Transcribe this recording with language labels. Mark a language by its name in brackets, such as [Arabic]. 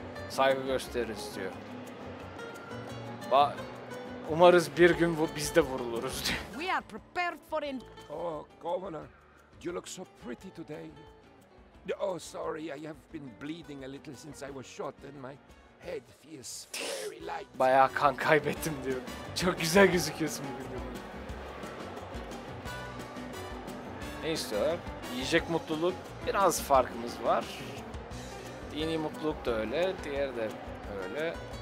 [Turkish] Saygı gösteririz diyor. Umarız bir gün biz de vuruluruz diyor. [English] We are prepared for in. Oh, governor, you look so pretty today. Oh, sorry, I have been bleeding a little since I was shot and my head feels very light. [Turkish] Bayağı kan kaybettim diyor. Çok güzel gözüküyorsun bugün. Ne istiyorlar? Yiyecek mutluluk. Biraz farkımız var. Dini mutluluk da öyle, diğer de öyle.